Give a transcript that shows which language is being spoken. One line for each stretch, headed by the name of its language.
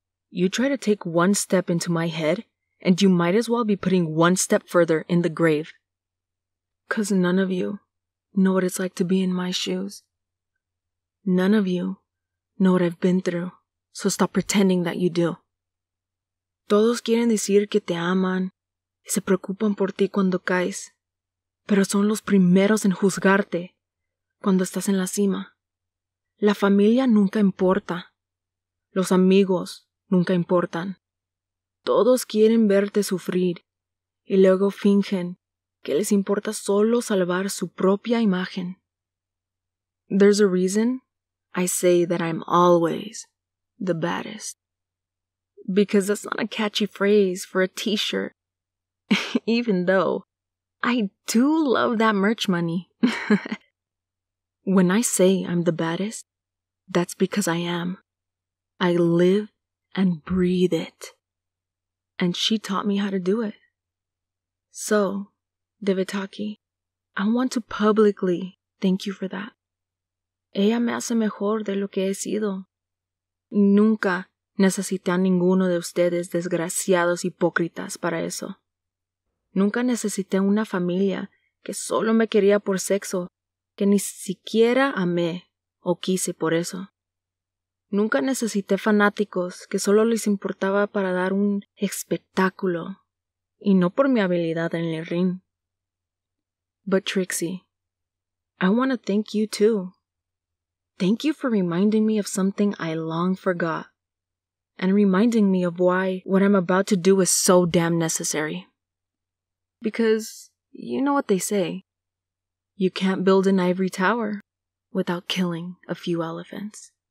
English: You try to take one step into my head, and you might as well be putting one step further in the grave. Cause none of you know what it's like to be in my shoes. None of you know what I've been through, so stop pretending that you do.
Spanish: Todos quieren decir que te aman y se preocupan por ti cuando caes, pero son los primeros en juzgarte cuando estás en la cima. La familia nunca importa. Los amigos nunca importan. Todos quieren verte sufrir y luego fingen que les importa solo salvar su propia imagen.
English: There's a reason I say that I'm always the baddest. Because that's not a catchy phrase for a t-shirt. Even though I do love that merch money. When I say I'm the baddest, that's because I am. I live and breathe it. And she taught me how to do it. So, Devitaki, I want to publicly thank you for that.
Spanish: Ella me hace mejor de lo que he sido. Nunca necesité a ninguno de ustedes desgraciados hipócritas para eso. Nunca necesité una familia que solo me quería por sexo, que ni siquiera amé o quise por eso. Nunca necesité fanáticos que solo les importaba para dar un espectáculo, y no por mi habilidad en el ring.
English: But Trixie, I want to thank you too. Thank you for reminding me of something I long forgot, and reminding me of why what I'm about to do is so damn necessary. Because you know what they say, you can't build an ivory tower without killing a few elephants.